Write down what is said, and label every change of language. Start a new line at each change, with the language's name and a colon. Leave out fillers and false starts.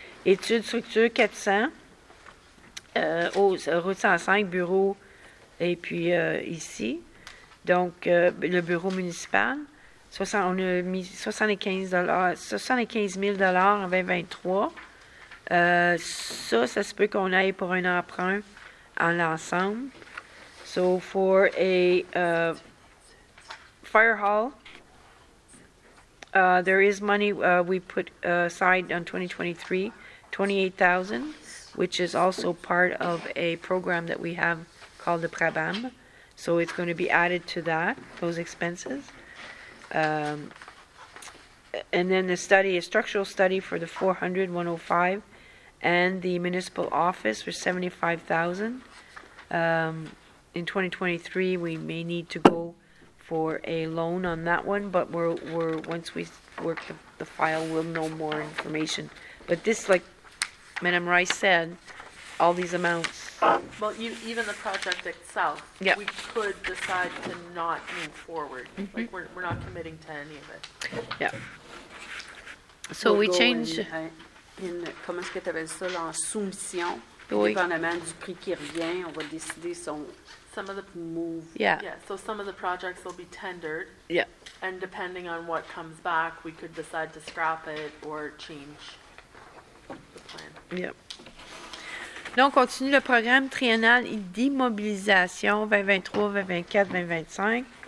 French: Études structure 400, route 105, bureau, et puis ici, donc le bureau municipal. On a mis $75,000 en 2023. Ça se peut qu'on aille pour un emprunt en l'ensemble.
English: So, for a fire hall, there is money we put aside on 2023, $28,000, which is also part of a program that we have called the PRABAM. So, it's going to be added to that, those expenses. And then the study, a structural study for the 400-105 and the municipal office for $75,000. In 2023, we may need to go for a loan on that one, but we're once we work the file, we'll know more information. But this, like Madame Rice said, all these amounts. Well, even the project itself, yeah, we could decide to not move forward. Mm-hmm. Like, we're not committing to any of it. Yeah. So we'll change.
French: In, comment est-ce que tu appelles ça, là, en soumission, oui, dépendamment du prix qui revient, on va décider son
English: some of the move. Yeah. Yeah. So some of the projects will be tendered. Yeah. And depending on what comes back, we could decide to scrap it or change the plan.
French: Yeah. Donc, on continue le programme triennal d'immobilisation 2023, 2024, 2025.